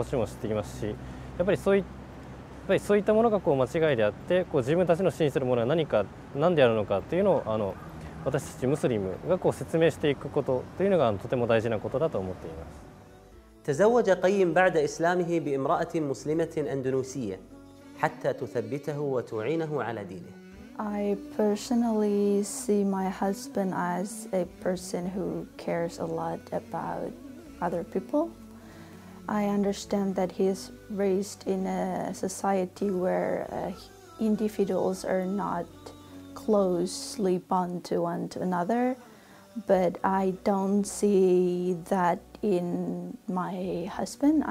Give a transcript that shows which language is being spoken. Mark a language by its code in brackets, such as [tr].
[ja] そうですね。なんか僕がムスリムになった時には、もちろん家族も驚いて、友達にも自分がムスリムだと言った時には驚く人もいたんですが、でもだからといって、なんかそれでこう何か生活に困ったとかそういうことはありませんでした。ただもちろん、今日本にいる多くの人たちがこうイスラムのこと、というのをこうメディアで語られるようなこう暴力的な形で、捉えているというのはもちろん知ってきますし、やっぱりそういった そういったものがこう間違いであって、こう自分たちの信じているものは何かなんであるのかっていうのを、私たちムスリムがこう説明していくこと、というのがとても大事なことだと思っています。 [ar] تزوج قيم بعد إسلامه بامرأة مسلمة أندونيسية حتى تثبته وتعينه على دينه. [en] I personally see my husband as a person who cares a lot about other people. I understand that he is raised in a society where individuals are not closely bound to one to another, but I don't see that in my husband.